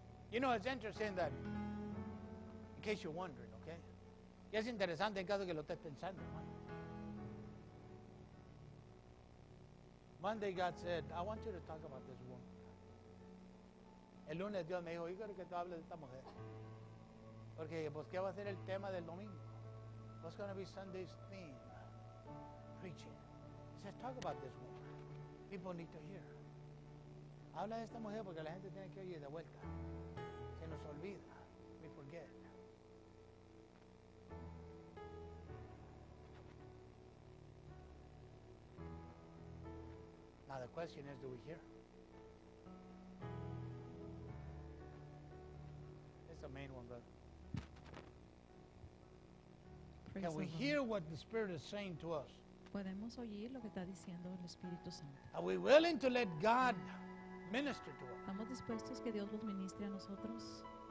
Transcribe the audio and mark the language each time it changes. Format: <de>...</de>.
<en>You know, it's interesting that, in case you're wondering, okay?</en> <es>Es interesante en caso que lo estés pensando, hermano.</es> <en>Monday, God said, I want you to talk about this woman.</en> <es>El lunes, Dios me dijo, yo quiero que tú hables de esta mujer. Porque, pues, ¿qué va a ser el tema del domingo?</es> <en>What's going to be Sunday's theme? Preaching. He says, talk about this woman. People need to hear.</en> <es>Habla de esta mujer porque la gente tiene que oír de vuelta. Se nos olvida.</es> <en>We forget. Now the question is, do we hear? It's the main one, brother. Can we hear what the Spirit is saying to us?</en> <es>¿Podemos oír lo que está diciendo el Espíritu Santo?</es> <en>Are we willing to let God minister to us?</en> <es>¿Estamos dispuestos que Dios los ministre a nosotros?</es>